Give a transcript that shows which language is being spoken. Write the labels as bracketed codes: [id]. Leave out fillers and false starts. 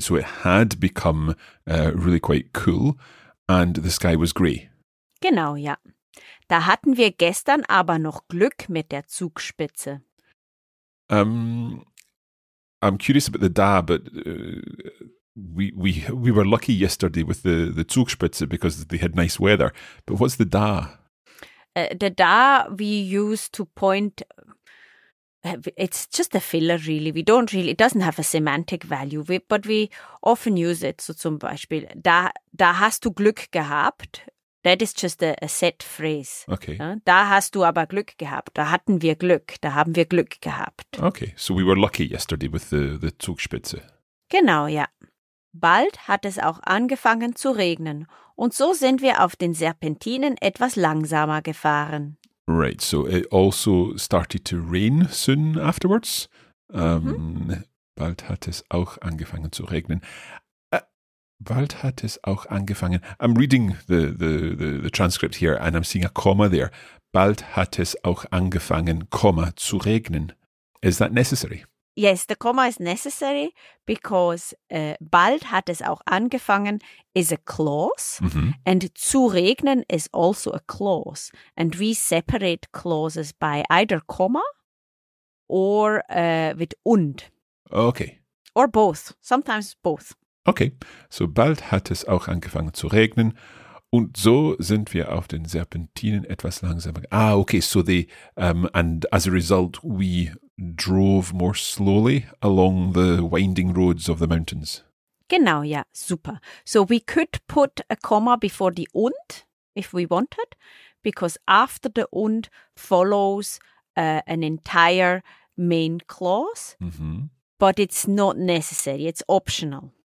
[en] So it had become really quite cool, and the sky was grey. [de] Genau. Ja. Da hatten wir gestern aber noch Glück mit der Zugspitze. [en] I'm curious about the da, but we were lucky yesterday with the Zugspitze because they had nice weather. But what's the da? The da we use to point. It's just a filler, really. We don't really. It doesn't have a semantic value. But we often use it. [de] So, zum Beispiel, da hast du Glück gehabt. [en] That is just a set phrase. Okay. [de] Da hast du aber Glück gehabt. Da hatten wir Glück. Da haben wir Glück gehabt. [en] Okay, so we were lucky yesterday with the Zugspitze. [de] Genau, ja. Bald hat es auch angefangen zu regnen. Und so sind wir auf den Serpentinen etwas langsamer gefahren. [en] Right, so it also started to rain soon afterwards. [de] Bald hat es auch angefangen zu regnen. Bald hat es auch angefangen. [en] I'm reading the transcript here and I'm seeing a comma there. [de] Bald hat es auch angefangen, comma, zu regnen. [en] Is that necessary? Yes, the comma is necessary because [de] bald hat es auch angefangen [en] is a clause and [de] zu regnen [en] is also a clause. And we separate clauses by either comma or with und. Okay. Or both. Sometimes both. Okay, so [de] bald hat es auch angefangen zu regnen und so sind wir auf den Serpentinen etwas langsamer. [en] Ah, okay, so the, and as a result, we drove more slowly along the winding roads of the mountains. [de] Genau, ja, super. [en] So we could put a comma before the und, if we wanted, because after the und follows an entire main clause, but it's not necessary, it's optional.